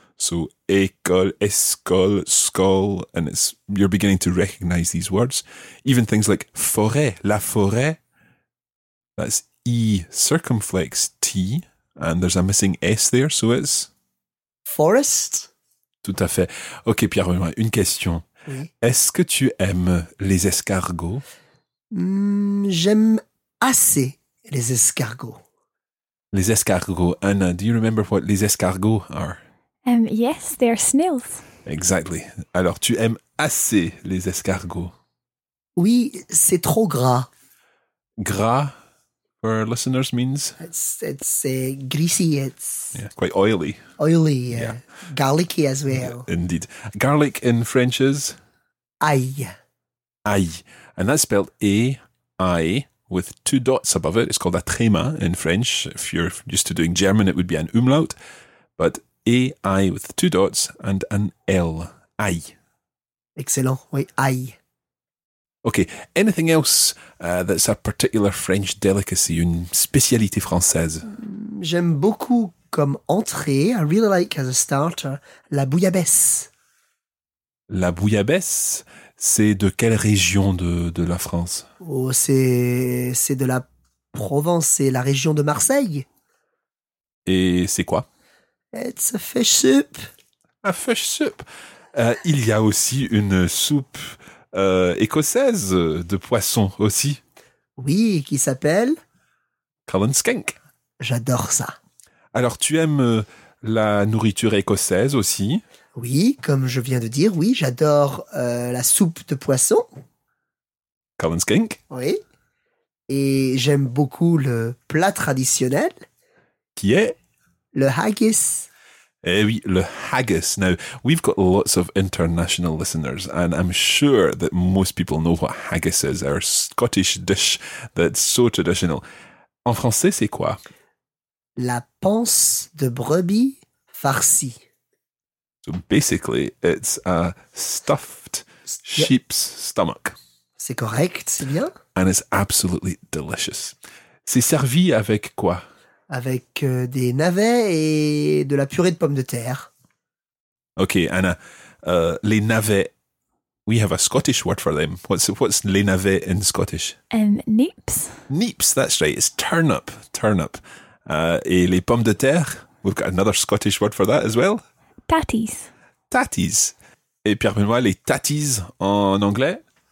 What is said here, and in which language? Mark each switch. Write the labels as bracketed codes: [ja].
[en] So école, escole, skull, and it's, you're beginning to recognize these words. Even things like forêt, la forêt, that's E circumflex T, and there's a missing S there, so it's... forest? [fr] Tout à fait. Ok, Pierre-Benoît, une question. Oui. Est-ce que tu aimes les escargots? J'aime assez les escargots. [en] Les escargots. Anna, do you remember what les escargots are? Yes, they're snails. Exactly. [fr] Alors, tu aimes assez les escargots? Oui, c'est trop gras. [en] Gras, for our listeners, means? It's greasy. It's yeah, quite oily. Oily, yeah. Garlicky as well. Yeah, indeed. Garlic in French is? [fr] Aïe. [en] Aïe. And that's spelled A-I-E. With two dots above it. It's called a tréma in French. If you're used to doing German, it would be an umlaut. But A-I with two dots and an L. [fr] Aïe. Excellent. Oui, aïe. [en] Okay. Anything else that's a particular French delicacy, [fr] une spécialité française? J'aime beaucoup comme entrée. [en] I really like as a starter, la bouillabaisse. [fr] La bouillabaisse? C'est de quelle région de la France? Oh, c'est de la Provence, c'est la région de Marseille. Et c'est quoi? [en] It's a fish soup. A fish soup. [fr] Il y a aussi une soupe écossaise de poisson aussi. Oui, qui s'appelle? [en] Cullen Skink. [fr] J'adore ça. Alors, tu aimes la nourriture écossaise aussi? Oui, comme je viens de dire, oui, j'adore la soupe de poisson. Cullen Skink. Oui. Et j'aime beaucoup le plat traditionnel. Qui est? Le haggis. Eh oui, le haggis. [en] Now, we've got lots of international listeners, and I'm sure that most people know what haggis is, our Scottish dish that's so traditional. [fr] En français, c'est quoi? La panse de brebis farcie. [en] So basically, it's a stuffed sheep's stomach. [fr] C'est correct, c'est bien. [en] And it's absolutely delicious. [fr] C'est servi avec quoi? Avec des navets et de la purée de pommes de terre. [en] Okay, Anna, les navets, we have a Scottish word for them. What's les navets in Scottish? Neeps. Neeps, that's right. It's turnip, turnip. [fr] Et les pommes de terre, [en] we've got another Scottish word for that as well. Tatties. Tatties. [fr] Et Pierre-Benoît, les tatties en anglais?